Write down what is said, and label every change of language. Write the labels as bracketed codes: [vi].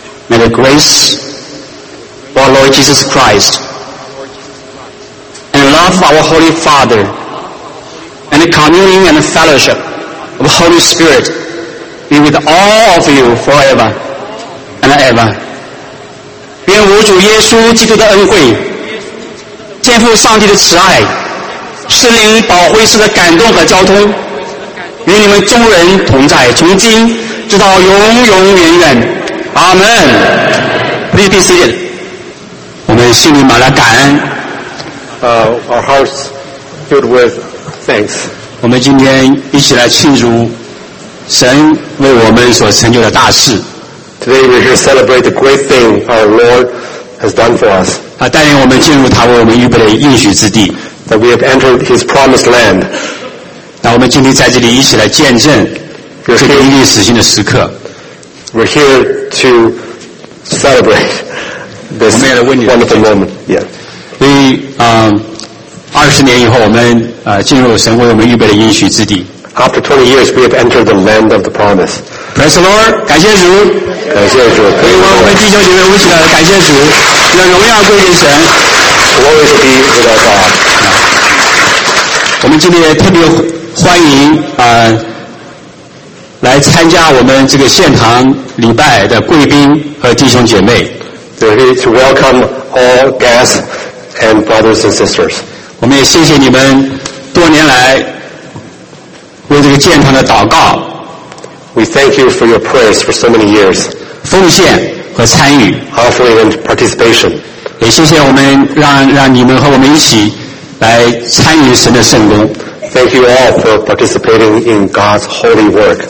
[en] May the grace of our Lord Jesus Christ and the love of our Holy Father and the communion and the fellowship of the Holy Spirit be with all of you forever and ever. [zh] 愿我主耶稣基督的恩惠，天父上帝的慈爱，圣灵宝惠师的感动和交通与你们众人同在，从今直到永永远远，阿门。 [en] Please be seated. [zh] 我们心里满了感恩。 [en] Our hearts filled with thanks. [zh] 我们今天一起来庆祝神为我们所成就的大事。 [en] Today we should celebrate the great thing our Lord has done for us. [zh] 他带领我们进入他为我们预备的应许之地。 [en] That we have entered His promised land. [zh] 那我们今天在这里一起来见证这个历史性的时刻。 [en] We're here to celebrate this wonderful moment. Yeah. [zh] 所以，20年以后，我们进入神为我们预备的应许之地。 [en] After 20 years, we have entered the land of the promise. Praise the Lord! [zh] 感谢主！感谢主！所以，我们弟兄姐妹，我们一起来感谢主，让荣耀归于神。 [en] Glory to be with our God. [zh] 我们今天特别。欢迎来参加我们这个现堂礼拜的贵宾和弟兄姐妹。 [en] We welcome all guests and brothers and sisters. [zh] 我们也谢谢你们多年来为这个建堂的祷告。 [en] We thank you for your prayers for so many years. [zh] 奉献和参与。 [en] Offering and participation. [zh] 也谢谢我们让你们和我们一起来参与神的圣工。 [en] Thank you all for participating in God's holy work.